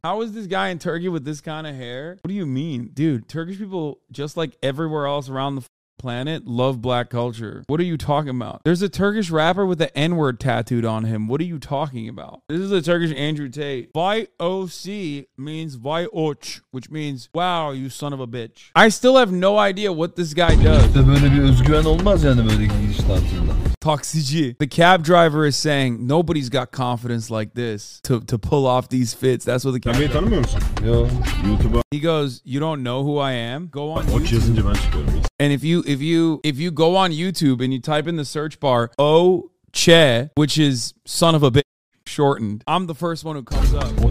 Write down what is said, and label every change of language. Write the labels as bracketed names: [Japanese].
[English] How is this guy in Turkey with this kind of hair? What do you mean? Dude, Turkish people, just like everywhere else around the planet, love black culture. What are you talking about? There's a Turkish rapper with the N-word tattooed on him. What are you talking about? This is a Turkish Andrew Tate. Y-O-C means Y-O-C, which means, wow, you son of a bitch. I still have no idea what this guy does. [Turkish] İşte böyle bir özgüven olmaz yani böyle giriş tarzında. Taksici. [English] The cab driver is saying, nobody's got confidence like this to pull off these fits. That's what the cab driver... [Turkish] Sen beni tanımıyor musun? Yo, YouTube'a. [English] He goes, you don't know who I am? Go on O-C YouTube. [Turkish] O-C yazınca ben çıkıyorum. [English] And if you go on YouTube and you type in the search bar O-C-E, which is son of a bitch shortened, I'm the first one who comes up.